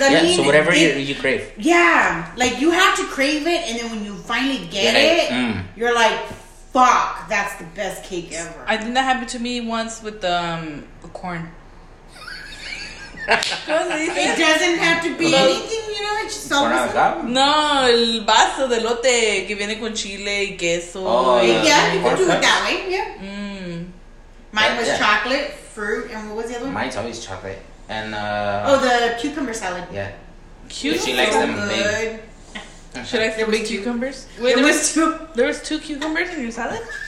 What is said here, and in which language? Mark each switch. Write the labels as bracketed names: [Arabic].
[English] Yeah, so whatever you crave. Yeah. Like you have to crave it and then when you finally get it, you're like, fuck, that's the best cake ever. I think that happened to me once with the corn. It doesn't have to be anything, you know. It's just [Spanish] no, el vaso de elote que viene con chile y queso. [English] Oh, yeah, you can do it that way. Yeah. Mm. Mine was chocolate, fruit, and what was the other one? Mine's always chocolate and. The cucumber salad. Yeah. Cucumbers. She likes them good. Big. Should I say big cucumbers? Wait, there was two cucumbers in your salad.